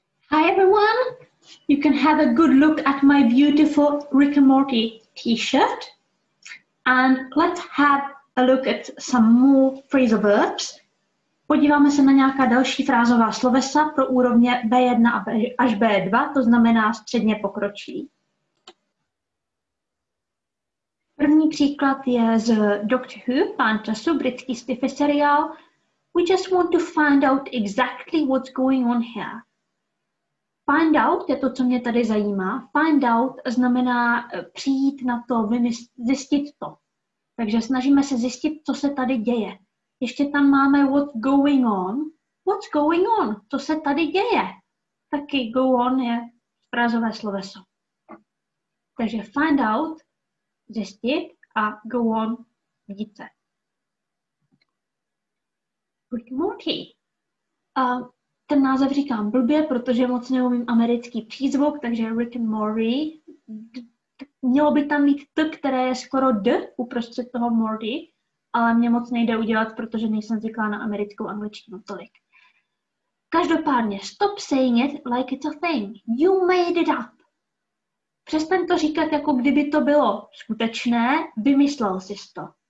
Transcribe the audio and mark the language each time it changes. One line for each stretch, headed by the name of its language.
English: Hi everyone, you can have a good look at my beautiful Rick and Morty t-shirt. And let's have a look at some more phrasal verbs.
Czech: Podíváme se na nějaká další frázová slovesa pro úrovně B1 až B2, to znamená středně pokročilý. První příklad je z Doctor Who, Pán času, britský sci-fi seriál.
English: We just want to find out exactly what's going on here.
Czech: Find out je to, co mě tady zajímá. Find out znamená přijít na to, zjistit to. Takže snažíme se zjistit, co se tady děje. Ještě tam máme
English: what's going on. What's going on?
Czech: Co se tady děje? Taky go on je frázové sloveso. Takže find out, zjistit a go on, vidíte.
English: Rick Morty.
Czech: Ten název říkám blbě, protože moc neumím americký přízvuk, takže Rick and Morty. Mělo by tam mít T, které je skoro D uprostřed toho Morty, ale mě moc nejde udělat, protože nejsem zvyklá na americkou angličtinu tolik.
English: Každopádně, stop saying it like it's a thing. You made it up.
Czech: Přestaň to říkat, jako kdyby to bylo skutečné, vymyslel jsi to.